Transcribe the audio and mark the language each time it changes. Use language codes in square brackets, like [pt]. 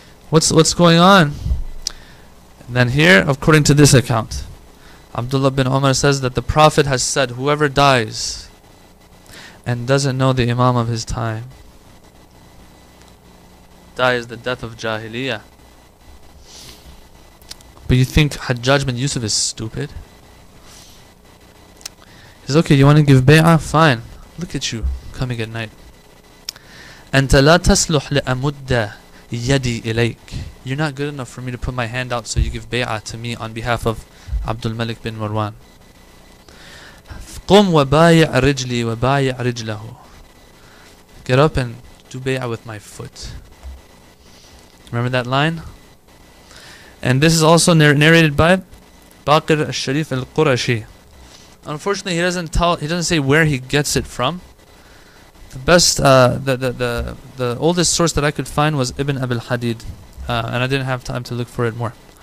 [en] What's going on? And then here, according to this account, Abdullah bin Umar says that the Prophet has said, whoever dies and doesn't know the Imam of his time dies the death of Jahiliyyah. But you think Hajjaj bin Yusuf is stupid? He says, okay, you want to give bay'ah? Fine. Look at you coming at night. [ar] أنت لا تسلح لأمد يدي إليك. [en] You're not good enough for me to put my hand out, so you give bay'ah to me on behalf of Abdul Malik bin Marwan. [ar] قم وبايع رجلي وبايع رجله. [en] Get up and do bay'ah with my foot. Remember that line? And this is also narrated by Baqir al-Sharif al-Qurashi. Unfortunately, he doesn't say where he gets it from. The oldest source that I could find was Ibn Abil Hadid, and I didn't have time to look for it more.